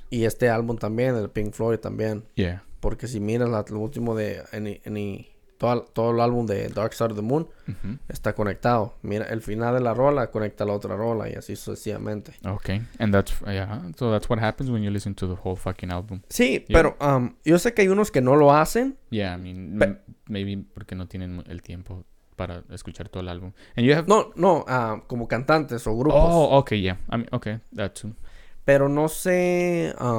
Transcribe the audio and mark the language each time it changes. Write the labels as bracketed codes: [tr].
[es] Y este álbum también, el Pink Floyd también. [en] Yeah. [es] Porque si miras lo último de... Any todo el álbum de Dark Side of the Moon está conectado. Mira, el final de la rola conecta a la otra rola y así sucesivamente. [en] Okay, and that's, yeah, so that's what happens when you listen to the whole fucking album. [es] Sí, yeah. Pero yo sé que hay unos que no lo hacen. [en] Yeah, I mean, maybe [es] porque no tienen el tiempo para escuchar todo el álbum. [en] And you have... [es] No, como cantantes o grupos. [en] Oh, okay, yeah. I mean, okay, that too. [es] Pero no sé...